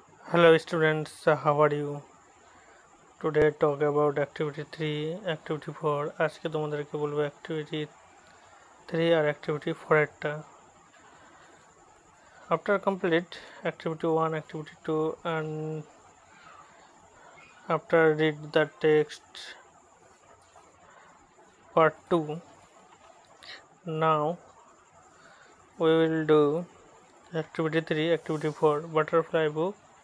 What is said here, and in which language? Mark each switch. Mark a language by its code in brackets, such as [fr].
[en] Hello students, how are you? Today talk about activity 3, activity 4. [bn] আজকে তোমাদেরকে বলবো activity 3 আর activity 4 একটা. [en] After complete activity 1, activity 2 and after read the text part 2. Now we will do activity 3, activity 4, butterfly book.